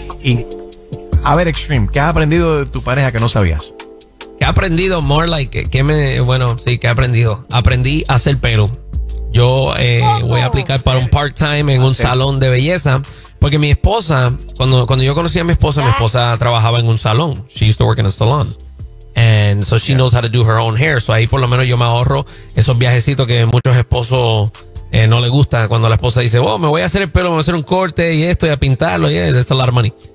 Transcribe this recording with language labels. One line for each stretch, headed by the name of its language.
Spanish: Y a ver, Extreme, ¿qué has aprendido de tu pareja que no sabías? ¿Qué he aprendido?
English: More like,
Spanish: ¿qué he aprendido? Aprendí a hacer pelo. Yo voy a aplicar para un part-time en un salón de belleza. Porque mi esposa, cuando yo conocí a mi esposa, mi esposa trabajaba en un salón.
English: She used to work in a salon. And so she knows how to do her own hair.
Spanish: So ahí por lo menos yo me ahorro esos viajecitos que muchos esposos no les gusta. Cuando la esposa dice, oh, me voy a hacer el pelo, me voy a hacer un corte y esto y a pintarlo.
English: Yeah, that's a lot of money.